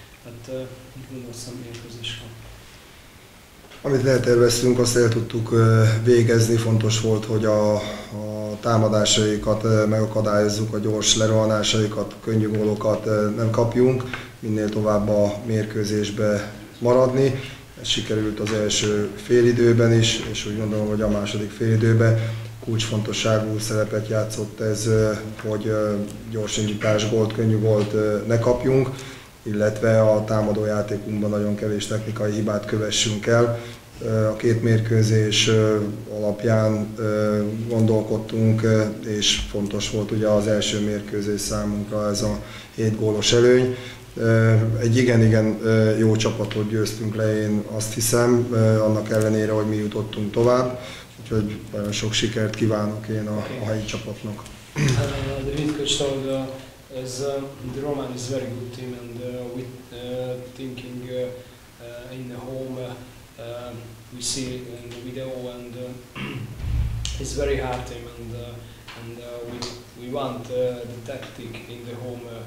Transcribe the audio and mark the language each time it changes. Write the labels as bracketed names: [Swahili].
[English] But I don't know some of your position. [Hungarian] Amit leterveztünk, azt el tudtuk végezni. Fontos volt, hogy a támadásaikat megakadályozzuk, a gyors lerohanásaikat, könnyű gólokat nem kapjunk, minél tovább a mérkőzésbe maradni. Ez sikerült az első félidőben is, és úgy gondolom, hogy a második félidőben kulcsfontosságú szerepet játszott ez, hogy gyors indítás gólt, könnyű gólt ne kapjunk, illetve a támadó játékunkban nagyon kevés technikai hibát kövessünk el. A két mérkőzés alapján gondolkodtunk, és fontos volt ugye az első mérkőzés számunkra ez a 7 gólos előny. Egy igen-igen jó csapatot győztünk le, én azt hiszem, annak ellenére, hogy mi jutottunk tovább. Úgyhogy nagyon sok sikert kívánok én a helyi csapatnak. [English] The Roman is very good team, and with thinking in the home, we see it in the video, and it's very hard team, and we want the tactic in the home.